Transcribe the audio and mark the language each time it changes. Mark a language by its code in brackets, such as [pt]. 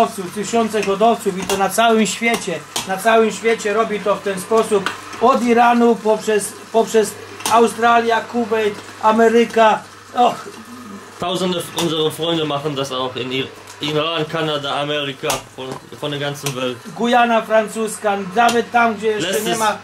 [pl] tysiące hodowców i to na całym świecie robi to w ten sposób. Od Iranu poprzez Australię, Kuwait, Ameryka. Och. [de] Tausende unserer Freunde machen das auch in ihr. Iran, Kanada, Ameryka, von der ganzen Welt. [pl] Guyana francuska, nawet tam, gdzie jeszcze nie ma,